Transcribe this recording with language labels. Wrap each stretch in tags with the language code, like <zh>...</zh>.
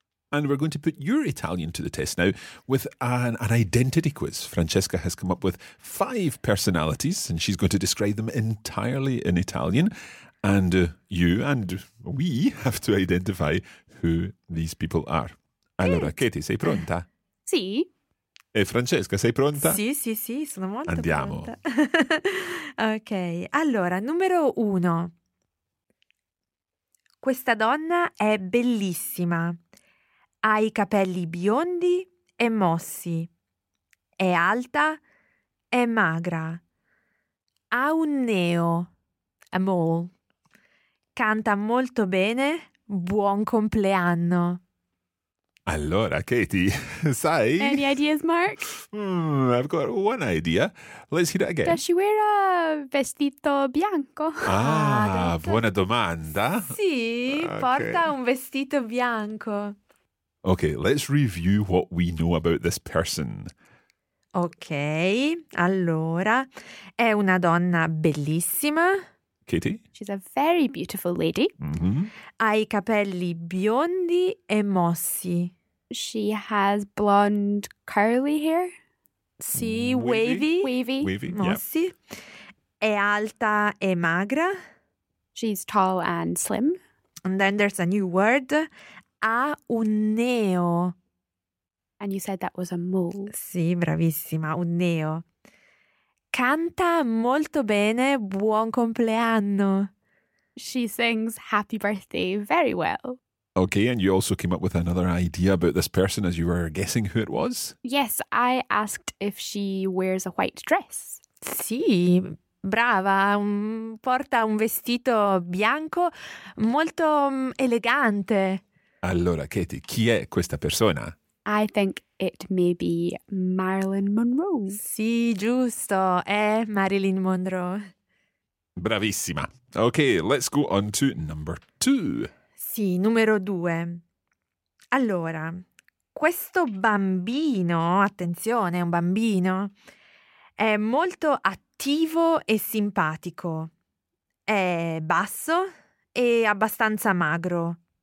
<en>And we're going to put your Italian to the test now with an identity quiz. Francesca has come up with five personalities and she's going to describe them entirely in Italian. And you and we have to identify who these people are.</en> <it>Allora, Katie, sei pronta? Sì. E Francesca, sei pronta? Sì, sì, sì, sono molto Andiamo. Pronta. Ok, allora, numero uno. Questa donna è bellissima. Ha i capelli biondi e mossi. È alta e magra. Ha un neo.</it> <en>A mole.</en> <it>Canta molto bene. Buon compleanno. Allora, Katie, sai?</it> <en>Any ideas, Mark? I've got one idea. Let's hear it again. Does she wear a</en> <it>vestito bianco? Ah, buona domanda. Sì, okay. Porta un vestito bianco.</it> <en>Okay, let's review what we know about this person.</en> <it>Okay, allora, è una donna bellissima.</it> <en>Katie? She's a very beautiful lady. Mm-hmm.</en> <it>Ha i capelli biondi e mossi.</it> <en>She has blonde curly hair. Sì, wavy. Wavy. Wavy,</en> <it>mossi.</it> <en>Yeah.</en> <it>È alta e magra.</it> <en>She's tall and slim. And then there's a new word.</en> <it>Ha un neo.</it> <en>And you said that was a mole.</en> <it>Sì, bravissima, un neo. Canta molto bene, buon compleanno.</it> <en>She sings happy birthday very well. Okay, and you also came up with another idea about this person as you were guessing who it was? Yes, I asked if she wears a white dress.</en> <it>Sì, brava, porta un vestito bianco molto elegante. Allora, Katie, chi è questa persona?</it> <en>I think it may be Marilyn Monroe.</en> <it>Sì, giusto. È Marilyn Monroe. Bravissima.</it> <en>Okay, let's go on to number two.</en> <it>Sì, numero due. Allora, questo bambino, attenzione, è un bambino, è molto attivo e simpatico. È basso e abbastanza magro.</it>